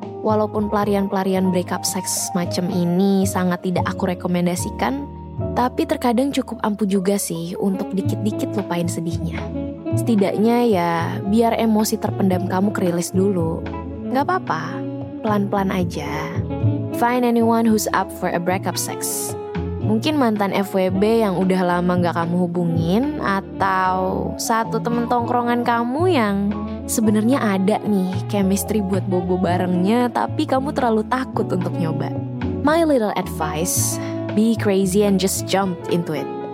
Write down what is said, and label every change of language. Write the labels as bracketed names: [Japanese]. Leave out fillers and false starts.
[Indonesian] Walaupun pelarian-pelarian breakup seks macam ini sangat tidak aku rekomendasikan, tapi terkadang cukup ampuh juga sih untuk dikit-dikit lupain sedihnya. Setidaknya ya, biar emosi terpendam kamu kerilis dulu. Gak apa-apa, pelan-pelan aja. [English] Find anyone who's up for a breakup sex. [Indonesian] Mungkin mantan FWB yang udah lama gak kamu hubungin, atau satu temen tongkrongan kamu yang sebenarnya ada nih chemistry buat bobo barengnya, tapi kamu terlalu takut untuk nyoba. [English] My little advice, be crazy and just jump into it.